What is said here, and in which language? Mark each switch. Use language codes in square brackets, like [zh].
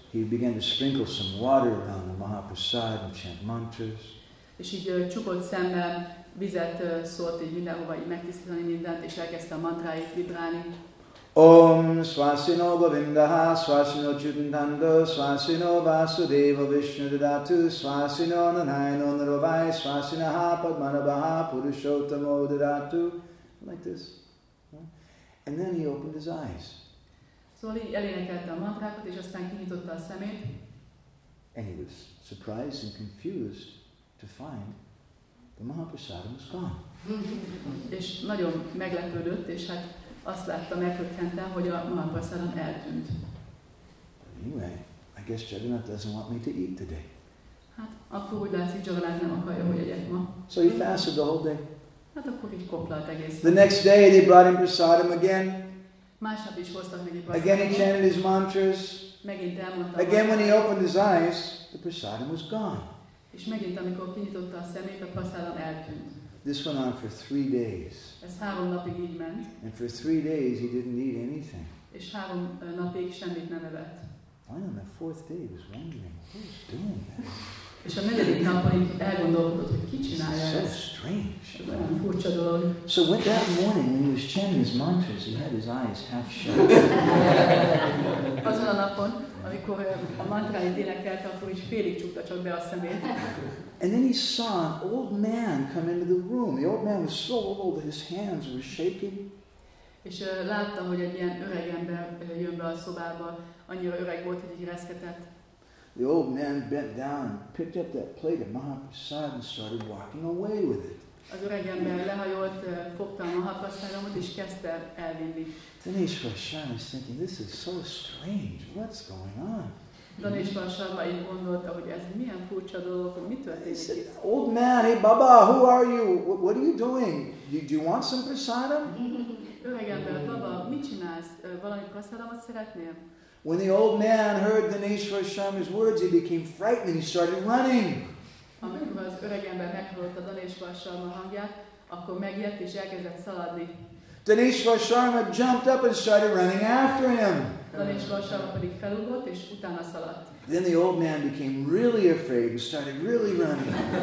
[en] He began to sprinkle some water around the Mahaprasad and chant mantras. [hu] És így csukott szemmel vizet szólt, így mindenhova így megtisztítani mindent, és elkezdte a mantráit vibrálni. [sa] Om Swasino Govindaha Swasino Chutantando Swasino Vasudeva Vishnu Dadatu Swasino Nanayano Narovai Swasinaha Padmanabaha Purushottamo Dadatu. [en] Like this. And then he opened his eyes. [hu] Szóval így elénekelte a mantrákat, és aztán kinyitotta a szemét. [en] And he was surprised and confused to find the Mahaprasadam was gone. [hu] És nagyon meglepődött, és hát azt látta, meghökkentem, hogy a Mahaprasadam eltűnt. [en] Anyway, I guess Jagannath doesn't want me to eat today. [hu] Hát akkor úgy látszik, Jagannath nem akarja, hogy egyek ma. [en] So he fasted the whole day. [hu] Hát akkor így koplalt egész. [en] The next day they brought him prasadam again. [hu] Másnap is hoztak neki [en] prasadam. Again he chanted his mantras. [hu] Megint elmondta. [en] Again when he opened his eyes. the prasadam was gone. [hu] És megint, amikor kinyitotta a szemét, a prasadam eltűnt. [en] This went on for 3 days. [hu] Ez 3 napig így ment. [en] And for 3 days he didn't eat anything. [hu] És 3 napig semmit nem evett. [en] I on the 4th day was wondering, who's doing that? [hu] És a negyedik napon elgondolkodott, hogy ki csinálja ezt. [en] So strange. [hu] Ez olyan furcsa dolog. [en] So when that morning when he was chanting his mantras, he had his eyes half shut. [hu] Azon a napon, amikor a mantráit énekelte, akkor is félig csukta csak be a szemét. [en] And then he saw an old man come into the room. The old man was so old that his hands were shaking. [hu] És láttam, hogy egy ilyen öreg ember jön be a szobába, annyira öreg volt, hogy így reszketett. [en] The old man bent down, picked up that plate of Mahaprasad and started walking away with it. [hu] Az öreg ember lehajolt, fogta a Mahaprasadamot és kezdte elvinni. [en] Dinesh Prasad is thinking, this is so strange, what's going on? [hu] Dinesh Prasad így gondolta, hogy ez milyen furcsa dolog, mi történik itt? [en] Old man, hey Baba, who are you? What are you doing? Do you want some prasadam? [hu] Öreg ember, Baba, mit csinálsz? Valami prasadamot szeretnél? [en] When the old man heard Dinesh Prasad's words, he became frightened and he started running. [hu] Amikor az öreg ember meghallotta Dinesh Prasad hangját, akkor megijedt és elkezdett szaladni. [en] Dinesh Prasad jumped up and started running after him. [hu] Dinesh Prasad pedig felugrott és utána szaladt. [en] Then the old man became really afraid and started really running.